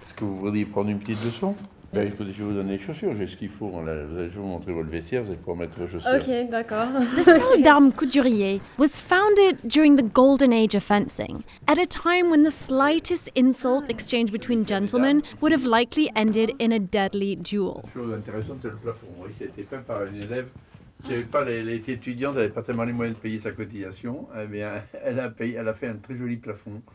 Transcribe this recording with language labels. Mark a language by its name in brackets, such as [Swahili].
[French] Est-ce que vous voudriez prendre une petite leçon? Ben, il faut que je vous donne les chaussures, j'ai ce qu'il faut. Là, je vais vous montrer votre vestiaire, vous allez pouvoir mettre vos chaussures. Ok, d'accord. [English] The Salle d'Armes Couturier was founded during the golden age of fencing, at a time when the slightest insult exchanged between gentlemen would have likely ended in a deadly duel. [French] La chose intéressante, c'est le plafond. Oui, c'était peint par une élève. L'étudiante n'avait pas tellement les moyens de payer sa cotisation. Eh bien, elle a fait un très joli plafond.